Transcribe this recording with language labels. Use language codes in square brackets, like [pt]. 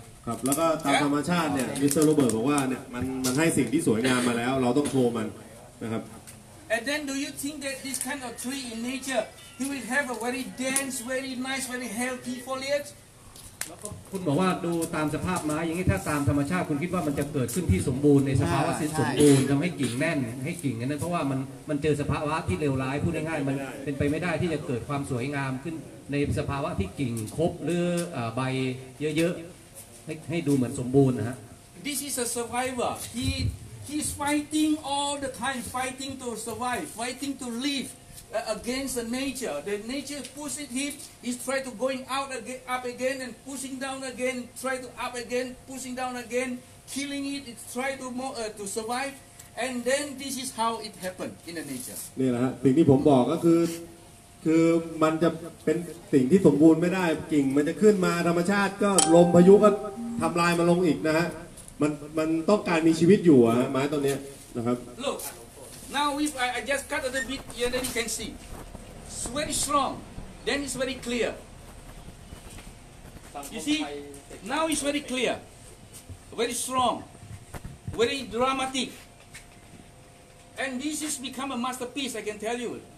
[th] ครับแล้วก็ตามธรรมชาติเนี่ยมิสเตอร์โรเบิร์ตบอกว่าเนี่ยมันให้สิ่งที่สวยงามมาแล้วเราต้องโทรมันนะครับ [en] And then do you think that this kind of tree in natureHe will have a very dense, very nice, very healthy foliage. [th] คุณบอกว่าดูตามสภาพไม้อย่างนี้ถ้าตามธรรมชาติคุณคิดว่ามันจะเกิดขึ้นที่สมบูรณ์ในสภาวะที่สมบูรณ์ทำให้กิ่งแน่นให้กิ่งนั้นเพราะว่ามันเจอสภาวะที่เลวร้ายพูดง่ายๆมันเป็นไปไม่ได้ที่จะเกิดความสวยงามขึ้นในสภาวะที่กิ่งครบหรือใบเยอะๆให้ดูเหมือนสมบูรณ์นะฮะ [en] This is a survivor. He's fighting all the time, fighting to survive, fighting to live. Against the nature, the nature pushes him. He's trying to going out again, up again, and pushing down again. Try to up again, pushing down again, killing it. It's trying to more to survive. And then this is how it happened in the nature. [th] นี่แหละฮะสิ่งที่ผมบอกก็คือมันจะเป็นสิ่งที่สมบูรณ์ไม่ได้กิ่งมันจะขึ้นมาธรรมชาติก็ลมพายุก็ทำลายมันลงอีกนะฮะมันต้องการมีชีวิตอยู่ฮะไม้ต้นนี้นะครับ [en] Look. Now if I just cut a little bit here, then you can see. It's very strong. Then it's very clear. You see? Now it's very clear. Very strong. Very dramatic. And this has become a masterpiece, I can tell you.